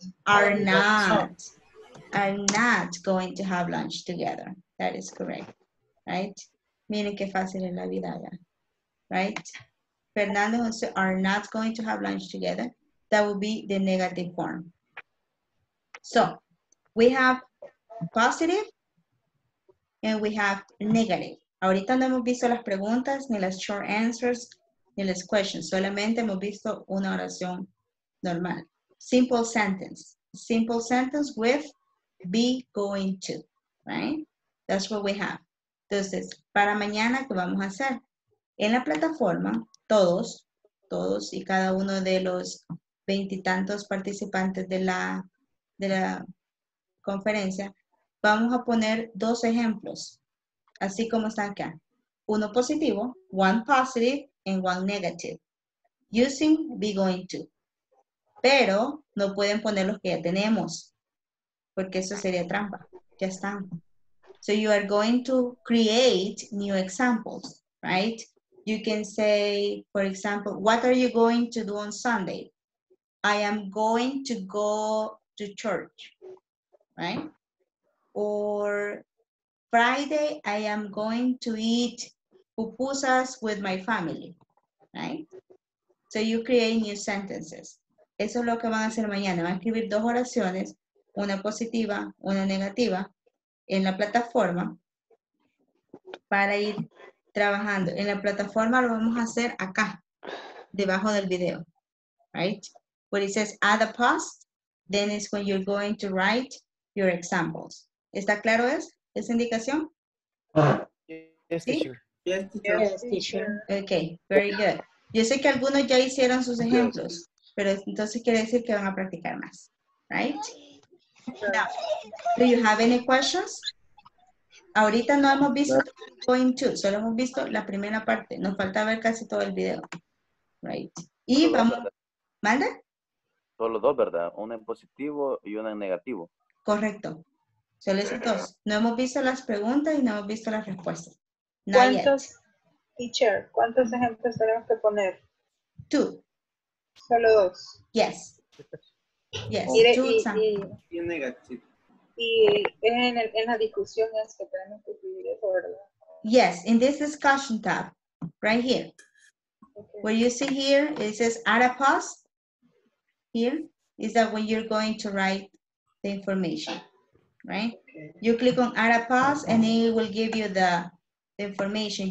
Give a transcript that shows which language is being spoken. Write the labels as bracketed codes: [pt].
[en] are not going to have lunch together. That is correct. Right? [es] Miren qué fácil es la vida allá. Right? [en] Fernando and Josué are not going to have lunch together. That would be the negative form. So, we have positive and we have negative. [es] Ahorita no hemos visto las preguntas, ni las [en] short answers, [es] ni las questions. Solamente hemos visto una oración normal. [en] Simple sentence. Simple sentence with be going to. Right? That's what we have. [es] Entonces, para mañana, ¿qué vamos a hacer? En la plataforma, todos y cada uno de los veintitantos participantes de la conferencia, vamos a poner dos ejemplos, así como están acá. Uno positivo, [en] one positive, and one negative. Using be going to. [es] Pero no pueden poner los que ya tenemos, porque eso sería trampa. Ya están. [en] So you are going to create new examples, right? You can say, for example, what are you going to do on Sunday? I am going to go to church. Right? Or Friday, I am going to eat pupusas with my family. Right? So you create new sentences. [es] Eso es lo que van a hacer mañana. Van a escribir dos oraciones, una positiva, una negativa, en la plataforma para ir trabajando. En la plataforma lo vamos a hacer acá, debajo del video. [en] Right? Where it says add a post, then it's when you're going to write your examples. [es] ¿Está claro esa indicación? [en] Yes, teacher. Yes, teacher. Okay, very good. [es] Yo sé que algunos ya hicieron sus ejemplos, pero entonces quiere decir que van a practicar más. [en] Right? Now, do you have any questions? [es] Ahorita no hemos visto going to, solo hemos visto la primera parte. Nos falta ver casi todo el video. Right? Y solo vamos. ¿Manda? Solo dos, ¿verdad? Una en positivo y una en negativo. Correcto. Solo esos dos. No hemos visto las preguntas y no hemos visto las respuestas. Not ¿cuántos, yet. Teacher, cuántos ejemplos tenemos que poner? [en] Two. [es] Solo dos. [en] Yes. Yes. [es] Mire, [en] two [es] examples. Y negativo. Y en la discusión es que tenemos que escribir eso, ¿verdad? [en] Yes, in this discussion tab, right here. Okay. What you see here, it says add a pause, field is that when you're going to write the information, right? Okay. You click on add a pause and it will give you the information.